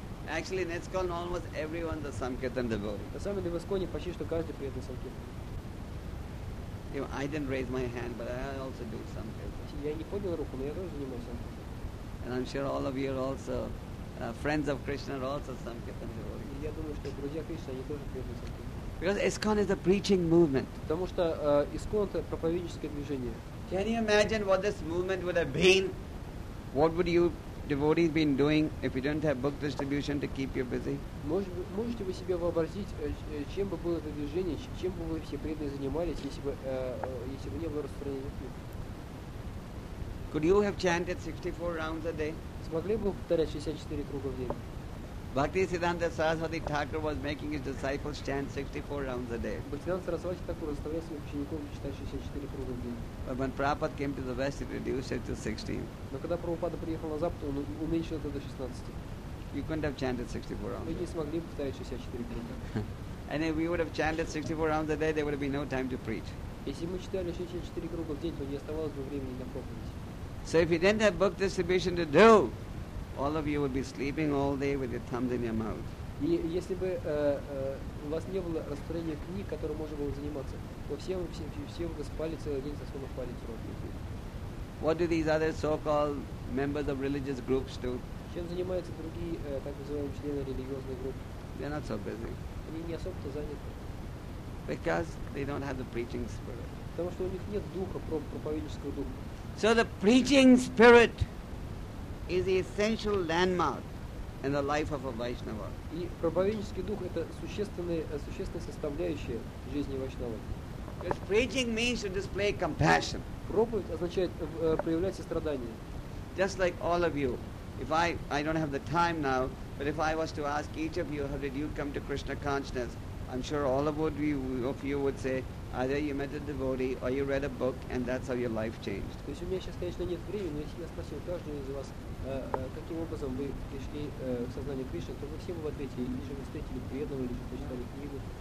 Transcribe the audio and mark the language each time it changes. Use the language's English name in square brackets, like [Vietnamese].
[English] Actually, in ISKCON almost everyone the Sankirtan devotee. [Russian] На самом деле в ISKCON почти что каждый преданный санкирте. [English] I didn't raise my hand, but I also do Sankirtan. [Russian] Я не поднял руку, но я тоже занимаюсь Sankirtan. [English] And I'm sure all of you are also friends of Krishna are also Sankirtan devotees. [Russian] Я думаю, что друзья Кришны, они тоже преданы. [English] Because ISKCON is a preaching movement. [Russian] Потому что ISKCON это проповедническое движение. [English] Can you imagine what this movement would have been? What would you devotees been doing if you didn't have book distribution to keep you busy? [Russian] Можете вы себе вообразить, чем бы было это движение, чем бы вы все преданные занимались, если бы не было распространения книг? [English] Could you have chanted 64 rounds a day? [Russian] Смогли бы вы повторять 64 круга в день? [English] Bhakti Siddhanta Saraswati Thakur was making his disciples chant 64 rounds a day. [Russian] Bhaktivinoda Saraswati Thakur заставлял своих учеников читать 64 круга в день. [English] But when Prabhupada came to the West, he reduced it to 16. [Russian] Но когда Прабхупада приехал на Запад, он уменьшил это до 16. [English] You couldn't have chanted 64 rounds. [Russian] Вы не смогли повторять 64 круга. [English] And if we would have chanted 64 rounds a day, there would have been no time to preach. [Russian] Если мы читали 64 круга в день, то не оставалось бы времени на проповедь. [English] So if you didn't have book distribution to do, all of you would be sleeping all day with your thumbs in your mouth. [Russian] И если бы у вас не было распространения книг, которым можно было заниматься, то все бы спали целый день, засунув палец в рот. [English] What do these other so-called members of religious groups do? [Russian] Чем занимаются другие так называемые члены религиозной группы? [English] They're not so busy. [Russian] Они не особо-то заняты. [English] Because they don't have the preaching spirit. [Russian] Потому что у них нет духа проповеднического духа. [English] So the preaching spirit is the essential landmark in the life of a Vaishnava. [Russian] И проповеднический дух это существенная составляющая жизни Вайшнава. [English] Because preaching means to display compassion. [Russian] Проповедь означает проявлять сострадание. [English] Just like all of you, if I don't have the time now, but if I was to ask each of you, how did you come to Krishna consciousness? I'm sure all of you would say, Either you met a devotee or you read a book and that's how your life changed. [Russian] То есть у меня сейчас, конечно, нет времени, но если я спросил каждого из вас, каким образом вы пришли к сознанию Кришны, то вы все бы ответили, или же вы встретили преданного, или же прочитали книгу.